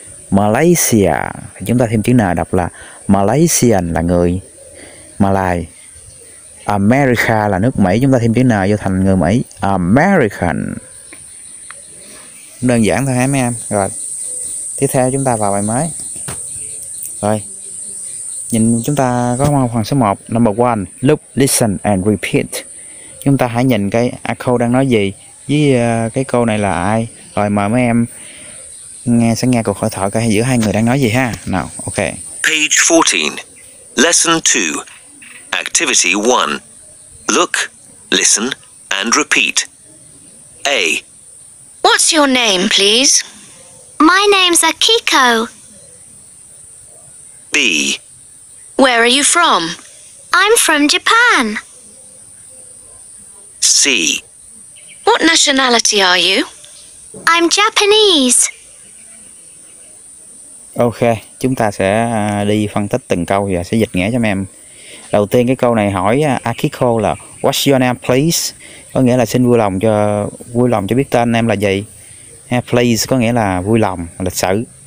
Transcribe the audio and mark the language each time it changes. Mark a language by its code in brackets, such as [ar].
[vi] Malaysia, chúng ta thêm chữ N đọc là Malaysian là người Malay. America là nước Mỹ, chúng ta thêm chữ N vô thành người Mỹ. American. Đơn giản thôi hả mấy em. Rồi tiếp theo chúng ta vào bài mới. Rồi nhìn chúng ta có phần số 1. [en] Number 1, look, listen and repeat. [vi] Chúng ta hãy nhìn cái cô đang nói gì với cái cô này là ai. Rồi mời mấy em nghe, sẽ nghe cuộc hội thoại coi giữa hai người đang nói gì ha. Nào, ok. [en] Page 14, Lesson 2, Activity 1. Look, listen and repeat. A. What's your name, please? My name's Akiko. B. Where are you from? I'm from Japan. C. What nationality are you? I'm Japanese. [vi] Ok, chúng ta sẽ đi phân tích từng câu và sẽ dịch nghĩa cho em. Đầu tiên cái câu này hỏi Akiko là [en] What's your name please? [vi] Có nghĩa là xin vui lòng cho biết tên em là gì. Please có nghĩa là vui lòng, lịch sự.